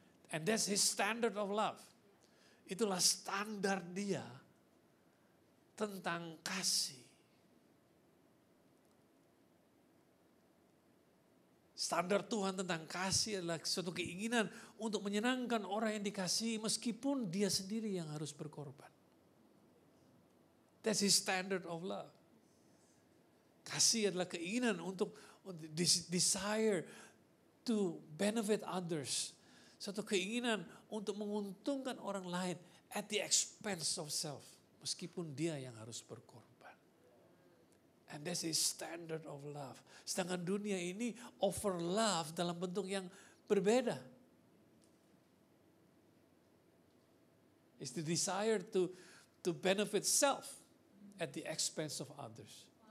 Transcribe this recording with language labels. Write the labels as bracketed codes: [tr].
[en] And that's his standard of love. [id] Itulah standar dia tentang kasih. Standar Tuhan tentang kasih adalah suatu keinginan untuk menyenangkan orang yang dikasihi meskipun dia sendiri yang harus berkorban. [en] That's his standard of love. [id] Kasih adalah keinginan untuk [en] this desire to benefit others. [id] Suatu keinginan untuk menguntungkan orang lain [en] at the expense of self. [id] Meskipun dia yang harus berkorban. [en] And that's his standard of love. [id] Sedangkan dunia ini [en] offer love [id] dalam bentuk yang berbeda. [en] It's the desire to benefit self at the expense of others.